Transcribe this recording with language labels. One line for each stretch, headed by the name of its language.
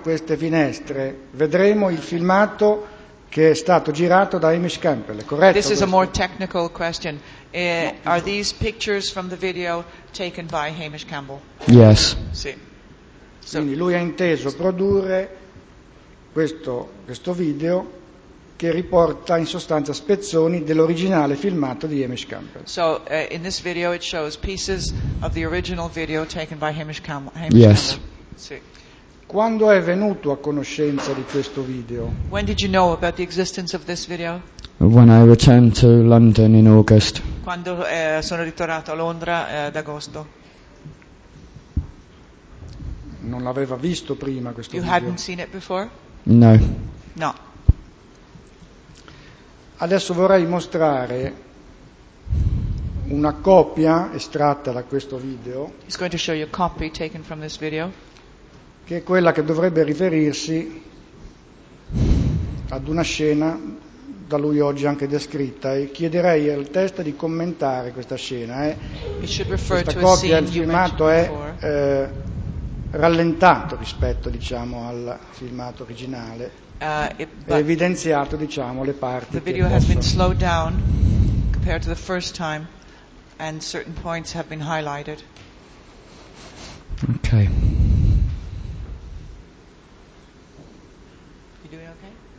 Italian: queste finestre, vedremo il filmato che è stato girato da Hamish Campbell, è corretto?
English: This is a more technical question. Are these pictures from the video taken by Hamish Campbell? Yes.
Italian: Sì. Quindi lui ha inteso produrre questo video che riporta in sostanza spezzoni dell'originale filmato di Hamish Campbell.
English: So, in this video it shows pieces of the original video taken by Hamish Campbell. Yes.
Italian: Sì. Quando è venuto a conoscenza di questo video?
English: When did you know about the existence of this video? When I returned to London in August.
Italian: Quando sono ritornato a Londra ad agosto. Non l'aveva visto prima questo you video?
English: You hadn't seen it before? No.
Italian: No. Adesso vorrei mostrare una copia estratta da questo video.
English: He's going to show you a copy taken from this video.
Italian: Che è quella che dovrebbe riferirsi ad una scena da lui oggi anche descritta, e chiederei al testa di commentare questa scena. Questa copia, il filmato è rallentato rispetto, diciamo, al filmato originale. È evidenziato, diciamo, le parti
English: The video has been slowed down compared to the first time. and certain points have been highlighted. Okay. You doing okay?